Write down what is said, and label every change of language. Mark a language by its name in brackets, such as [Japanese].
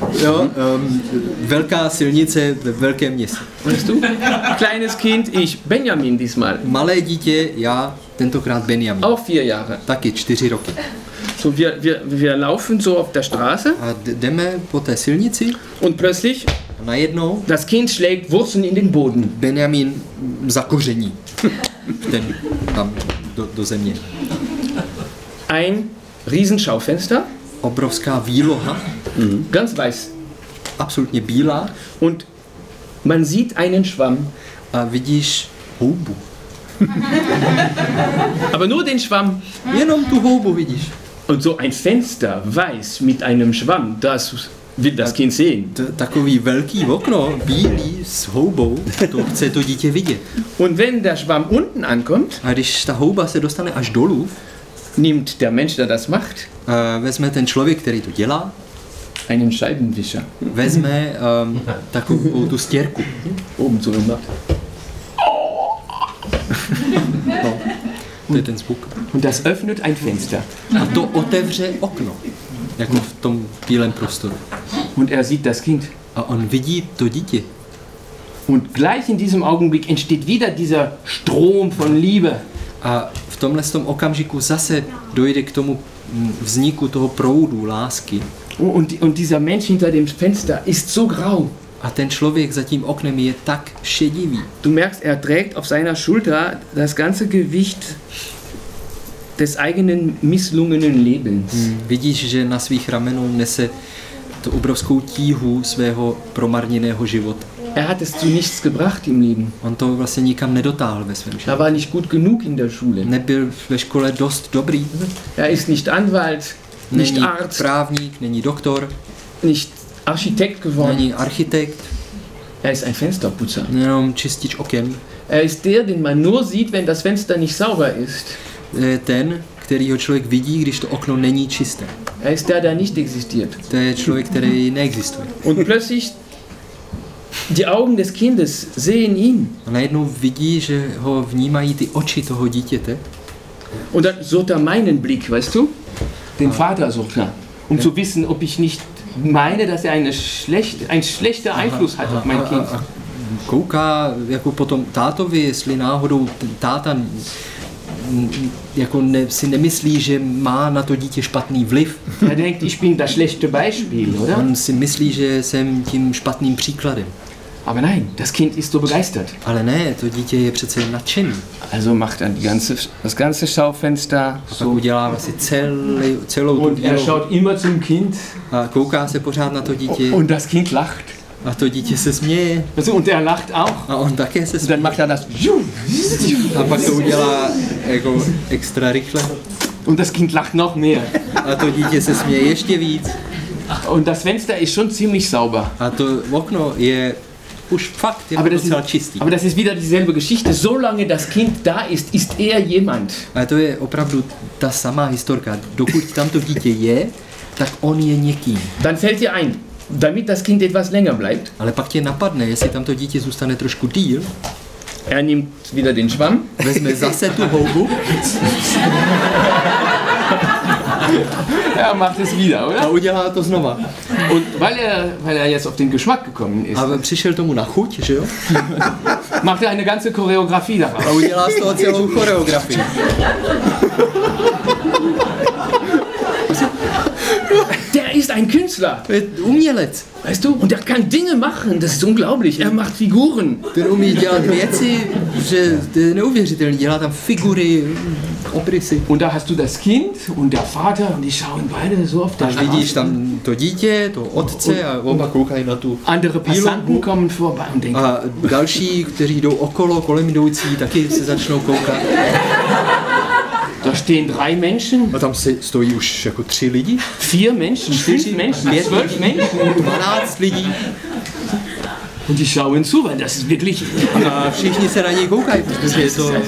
[Czech] Ja, velká silnice ve velkém městě. [German] Weißt du? Kleines Kind, ich Benjamin diesmal. [Czech] Malé dítě, já tentokrát Benjamin. [German] Auch 4 Jahre. [Czech] Taky 4 roky. [German] So wir laufen so auf der Straße. [Czech] A jdeme po té silnici. [German] Und plötzlich [Czech] najednou [German] das Kind schlägt Wurzeln in den Boden. [Czech] Benjamin zakoření. Ten tam do země. [German] Ein Riesenschaufenster. [Czech] Obrovská výloha. [German] Mm-hmm. Ganz weiß. [Czech] Absolutně bílá. [German] Und man sieht einen Schwamm. [Czech] A vidíš houbu. [German] Aber nur den Schwamm. [Czech] Jenom tu houbu vidíš. [German] Und so ein Fenster weiß mit einem Schwamm, das wird das Kind sehen. [Czech] Takový velký okno, bílý s houbou, to chce to dítě vidět. [German] Und wenn der Schwamm unten ankommt, [Czech] a když ta houba se dostane až dolů, [German] nimmt der Mensch, der das macht, [Czech] vezme ten člověk, který to dělá, [German] einen Scheibenwischer, [Czech] vezme takovou tu stěrku. [German] Oben zu hundert. [Czech] No, to je ten zvuk. [German] Und das öffnet ein Fenster. [Czech] A to otevře okno, jako v tom bílém prostoru. [German] Und er sieht das Kind. [Czech] A on vidí to dítě. [German] Und gleich in diesem Augenblick entsteht wieder dieser Strom von Liebe. [Czech] A v tomhle tom okamžiku zase dojde k tomu vzniku toho proudu lásky. [German] Und dieser Mensch hinter dem Fenster ist so grau. [Czech] A ten člověk za tím oknem je tak šedivý. [German] Du merkst, er trägt auf seiner Schulter das ganze Gewicht des eigenen misslungenen Lebens. [Czech] Vidíš, že na svých ramenou nese tu obrovskou tíhu svého promarněného života. [German] Er hat es zu nichts gebracht im Leben. [Czech] On to vlastně nikam nedotáhl ve svém životě. [German] Er war nicht gut genug in der Schule. [Czech] Nebyl ve škole dost dobrý. [German] Er ist nicht Anwalt, nicht Arzt. [Czech] Není právník, není doktor. [German] Nicht Architekt geworden. [Czech] Není architekt. [German] Er ist ein Fensterputzer. [Czech] Jenom čistič oken. [German] Er ist der, den man nur sieht, wenn das Fenster nicht sauber ist. Er ist der, [Czech] který ho člověk vidí, když to okno není čisté. [German] Er ist der, der nicht existiert. [Czech] To je člověk, který neexistuje. [German] Und plötzlich die Augen des Kindes sehen ihn. [Czech] A najednou vidí, že ho vnímají ty oči toho dítěte. [German] Und dann sucht er meinen Blick, weißt du? Den Vater sucht er. Um zu wissen, ob ich nicht meine, dass er ein schlechter Einfluss hat auf mein Kind. [Czech] Kouká jako potom tátovi, jestli náhodou táta jako si nemyslí, že má na to dítě špatný vliv. [German] Er denkt, ich bin das schlechte Beispiel, oder? [Czech] On si myslí, že jsem tím špatným příkladem. [German] Aber nein, das Kind ist so begeistert. [Czech] Ale ne, to dítě je přece nadšený. [German] Also macht er das ganze Schaufenster. [Czech] So udělá vlastně celou tu dílou. [German] Und er schaut immer zum Kind. [Czech] A kouká se pořád na to dítě. [German] Und das Kind lacht. [Czech] A to dítě se směje. [German] Und er lacht auch. [Czech] A on také se směje. [German] Und dann macht er das. [Czech] A pak to udělá jako extra rychle. [German] Und das Kind lacht noch mehr. [Czech] A to dítě se směje ještě víc. [German] Und das Fenster ist schon ziemlich sauber. [Czech] A to okno je už fakt, je docela čistý. [German] Aber das ist wieder dieselbe Geschichte. Solange das Kind da ist, ist er jemand. [Czech] A to je opravdu ta samá historka. Dokud tamto dítě je, tak on je někým. [German] Dann fällt dir ein. Damit das Kind etwas länger bleibt. [Czech] Ale pak tě napadne, jestli tamto dítě zůstane trošku díl. [German] Er nimmt wieder den Schwamm. [Czech] Vezme zase tu houbu. [German] Er macht es wieder, oder? [Czech] A udělá to znova. [German] Und weil er jetzt auf den Geschmack gekommen ist. [Czech] Aber přišel tomu na chuť, že jo? [German] Macht er eine ganze Choreografie daraus. [Czech] A udělá z toho celou choreografii. [German] Ist ein Künstler. [Czech] Umělec. [German] Weißt du? Und er kann Dinge machen. Das ist unglaublich. Er macht Figuren. [Czech] Ten umí dělat věci, že to je neuvěřitelný. Dělá tam figury, obrysy. [German] Und da hast du das Kind und der Vater und die schauen beide so auf den Straßen. [Czech] Vidíš tam to dítě, to otce und, a oba koukají na tu. [German] Andere Passanten kommen vorbei und denken. [Czech] A další, kteří jdou okolo, kolem jdoucí, taky se začnou koukat. [German] Da stehen drei Menschen. [Czech] A tam stojí už jako tři lidi. [German] Vier Menschen, fünf Menschen, zwölf Menschen. [Czech] 12 lidí. [German] Und die schauen zu, weil das ist wirklich... [Czech] A všichni se na něj koukají, protože je to...